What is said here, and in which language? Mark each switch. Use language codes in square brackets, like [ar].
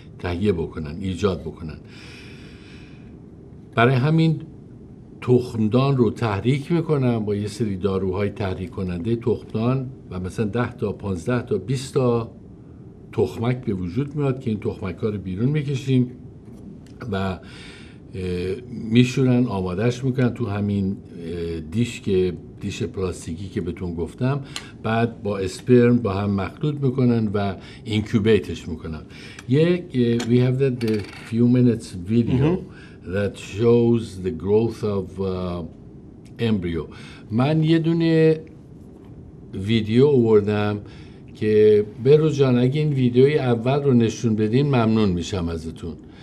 [fa] تهیه بکنن، ایجاد بکنن. برای همین تخمدان رو تحریک میکنن با یه سری داروهای تحریک کننده تخمدان، و مثلا 10 تا 15 تا 20 تا تخمک به وجود میاد که این تخمک ها رو بیرون میکشیم و میشورن، آمادهش میکنن تو همین دیش، که دیش پلاستیکی که بهتون گفتم، بعد با اسپرم با هم مخلوط میکنن و اینکیوبیتش میکنن. [en] یک we have that the few minutes video that shows the growth of embryo. [fa] من یه دونه ویدیو آوردم که برو جان اگه این ویدیوی اول رو نشون بدین ممنون میشم ازتون.